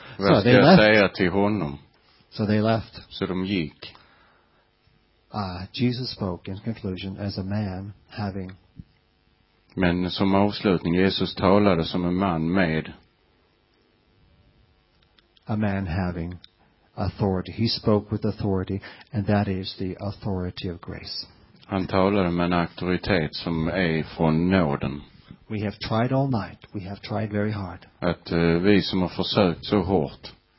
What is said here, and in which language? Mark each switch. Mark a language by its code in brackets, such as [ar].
[sv] Vad ska jag säga till honom? [en] So they left. [sv] Så de gick. [en] Jesus spoke in conclusion as a man having. [sv] Men som avslutning, Jesus talade som en man med. [en] A man having authority. He spoke with authority, and that is the authority of grace. [sv] Han talade med en auktoritet som är från nåden. [en] We have tried all night. We have tried very hard. [sv] Att vi som har försökt så hårt.